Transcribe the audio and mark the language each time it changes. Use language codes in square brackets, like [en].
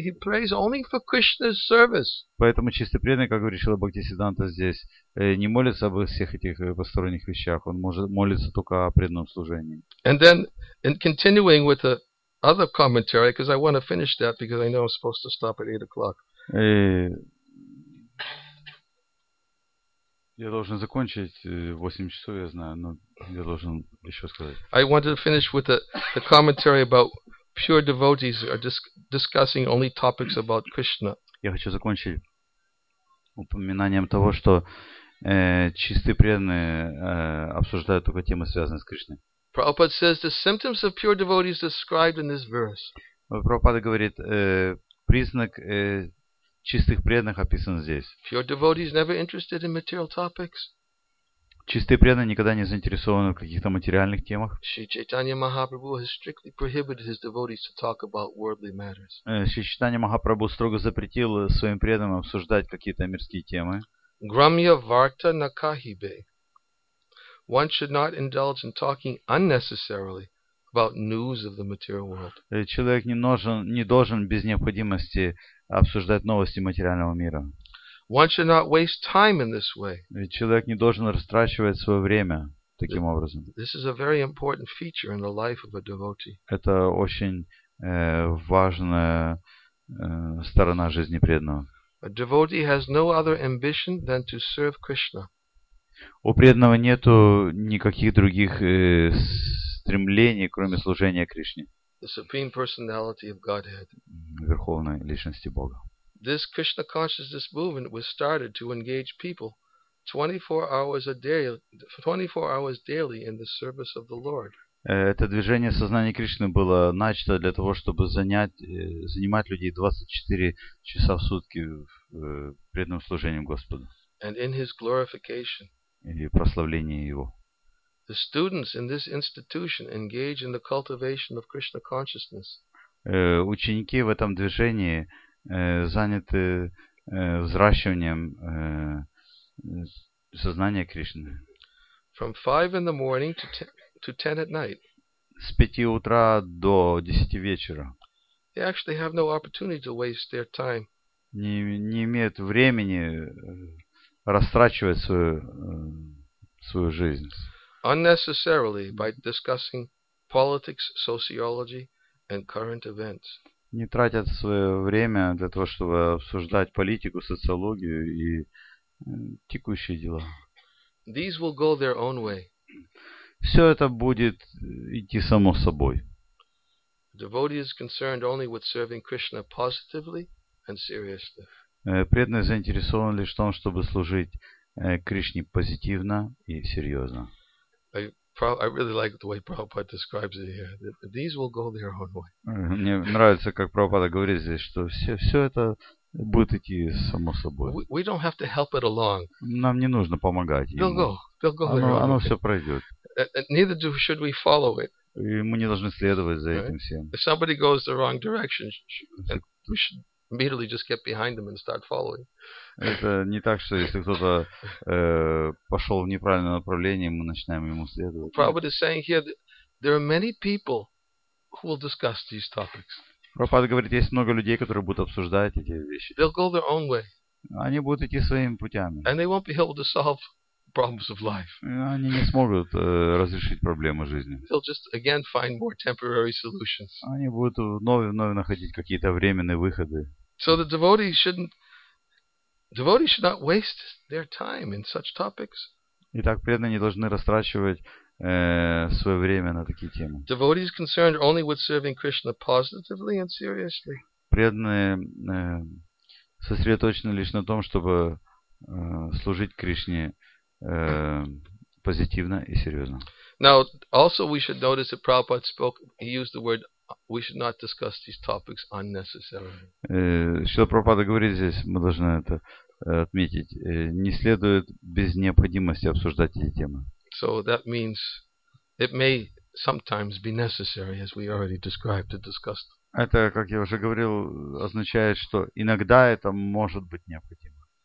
[en] He prays only for Krishna's service. [ru] Поэтому чистый преданный, как говорит Шрила Бхактисиддханта здесь, не молится об всех этих посторонних вещах. Он может молиться только о преданном служении. [en] And then, in continuing with the other commentary, because I want to finish that, because I know I'm supposed to stop at 8:00. [ru] Я должен закончить 8 часов, я знаю, но я должен еще сказать. [en] I wanted to finish with the commentary about pure devotees are discussing only topics about Krishna. [ru] Я хочу закончить упоминанием того, что чистые преданные обсуждают только темы, связанные с Кришной. [en] Prabhupada says the symptoms of pure devotees described in this verse. [ru] Прабхупада говорит, признак чистых преданных описан здесь. [en] Pure devotees never interested in material topics. [ru] Чистые преданные никогда не заинтересованы в каких-то материальных темах. [en] Шри Чайтанья Махапрабху has strictly prohibited his devotees to talk about worldly matters. [ru] Шри Чайтанья Махапрабху строго запретил своим преданным обсуждать какие-то мирские темы. [bn] Грамья варта на кахибе. [en] One should not indulge in talking unnecessarily about news of the material world. [ru] Человек не должен без необходимости обсуждать новости материального мира. [en] One should not waste time in this way. [ru] Человек не должен растрачивать свое время таким образом. [en] This is a very important feature in the life of a devotee. [ru] Это очень важная сторона жизни преданного. [en] A devotee has no other ambition than to serve Krishna. [ru] У преданного нету никаких других стремлений, кроме служения Кришне. [en] The supreme personality of Godhead. [ru] Верховной личности Бога. [en] This Krishna consciousness movement was started to engage people 24 hours daily in the service of the Lord. [ru] Это движение сознания Кришны было начато для того, чтобы занимать людей 24 часа в сутки преданным служением Господу. [en] And in his glorification. [ru] И прославление его. [en] The students in this institution engage in the cultivation of Krishna consciousness. [ru] Ученики в этом движении заняты взращиванием сознания Кришны. [en] From 5 in the morning to 10 at night. [ru] С 5 утра до 10 вечера. [en] They actually have no opportunity to waste their time. [ru] Не имеют времени растрачивать свою жизнь. [en] Unnecessarily by discussing politics, sociology and current events. [ru] Не тратят свое время для того, чтобы обсуждать политику, социологию и текущие дела. [en] These will go their own way. [ru] Все это будет идти само собой. [en] Devotee is concerned only with serving Krishna positively and seriously. [ru] Преданный заинтересован лишь в том, чтобы служить Кришне позитивно и серьезно. [en] I really like the way Prabhupada describes it here. These will go their own way. [ru] Мне нравится, как Прабхупада говорит здесь, что все это будет идти само собой. [en] We don't have to help it along. [ru] Нам не нужно помогать ему. [en] They'll go their own way. [ru] Оно все пройдет. [en] Neither should we follow it. [ru] И мы не должны следовать за этим всем. [en] If somebody goes the wrong direction, we should immediately just get behind them and start following. [ru] Это не так, что если кто-то пошел в неправильное направление, мы начинаем ему следовать. [en] Prabhupada is saying here that there are many people who will discuss these topics. [ru] Прабхупада говорит, есть много людей, которые будут обсуждать эти вещи. [en] They'll go their own way. [ru] Они будут идти своими путями. [en] And they won't be able to solve problems of life. [ru] Они не смогут разрешить проблемы жизни. [en] They'll just again find more temporary solutions. [ru] Они будут вновь находить какие-то временные выходы. [en] So the devotees should not waste their time in such topics. [ru] Итак, преданные не должны растрачивать свое время на такие темы. [en] Devotees concerned only with serving Krishna positively and seriously. [ru] Преданные сосредоточены лишь на том, чтобы служить Кришне позитивно и серьезно. [en] Now, also we should notice that Prabhupada spoke, he used the word, we should not discuss these topics unnecessarily. [ru] Что Прабхупада говорит здесь, мы должны это отметить. Не следует без необходимости обсуждать эти темы. [en] So that means it may sometimes be necessary, as we already described, to discuss them. [ru] Это, как я уже говорил, означает, что иногда это может быть необходимо.